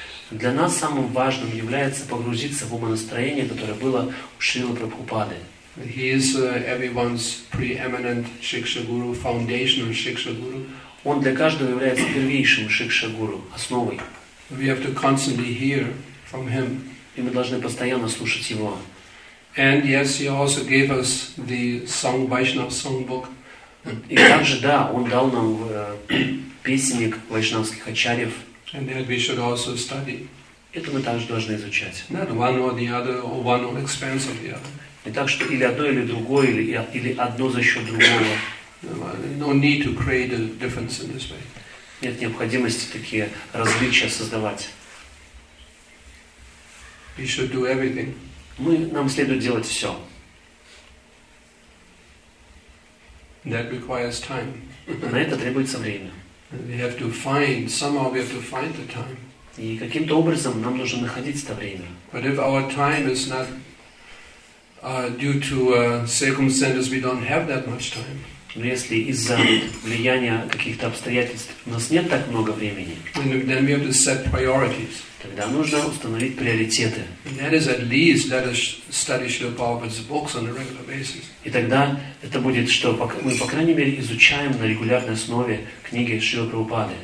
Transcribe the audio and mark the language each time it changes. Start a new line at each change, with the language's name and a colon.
Russian: Для нас самым важным является погрузиться в умонастроение, которое было у Шрилы Прабхупады.
English: He is everyone's preeminent Shiksha Guru, foundational Shiksha Guru.
Russian: Он для каждого является первейшим Shiksha Guru, основой.
English: We have to constantly hear from him.
Russian: И мы должны постоянно слушать его.
English: And yes, he also gave us the song Vaishnav songbook.
Russian: И также да, он дал нам песенник вайшнавских ачарьев.
English: And that we should also study.
Russian: Это мы также должны изучать.
English: Not one or the other, or one or expense of the other.
Russian: Не так, что или одно, или другое, или одно за счет другого.
English: No need to create a difference in this way.
Russian: Нет необходимости такие различия создавать.
English: We should do everything.
Russian: Нам следует делать все.
English: That requires time.
Russian: На это требуется время.
English: We have to find, somehow we have to find the time.
Russian: И каким-то образом нам нужно находить это время.
English: But if our time is not due to circumstances, we don't have that much time.
Russian: Но если из-за влияния каких-то обстоятельств у нас нет так много времени,
English: then we have to set priorities.
Russian: Тогда нужно установить приоритеты.
English: That is at least, let us study Śrīla Prabhupāda's books on a regular basis.
Russian: И тогда это будет, что мы, по крайней мере, изучаем на регулярной основе книги Шрилы Прабхупады.